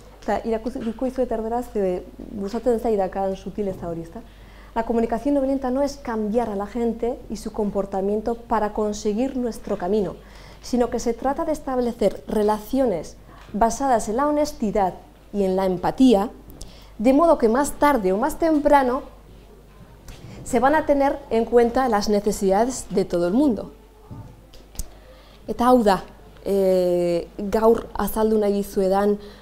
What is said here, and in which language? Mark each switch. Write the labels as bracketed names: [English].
[Basque] Eta irakurriko dizuet erderaz, bultzatzen zaidakan sutileza hori, ezta? [Spanish] La comunicación no violenta no es cambiar a la gente y su comportamiento para conseguir nuestro camino, sino que se trata de establecer relaciones basadas en la honestidad y en la empatía, de modo que más tarde o más temprano se van a tener en cuenta las necesidades de todo el mundo. [Basque] Eta hau da, gaur azaldu nahi izuedan